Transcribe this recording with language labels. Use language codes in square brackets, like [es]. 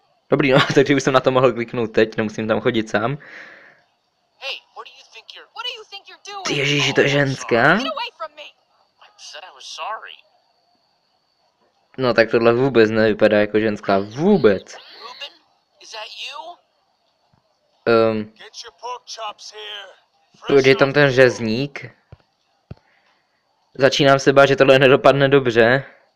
[cs] Dobrý, no, takže už jsem na to mohl kliknout teď, nemusím tam chodit sám. [en] Hey, what do you think you're, what do you think you're doing? [cs] Ty ježiši, to je ženská? [en] Get away from me! I said I was sorry. [cs] No tak tohle vůbec nevypadá jako ženská, vůbec. [en] Is that you? Get your pork chops here. [cs] Je tam ten řezník. Začínám se bát, že tohle nedopadne dobře.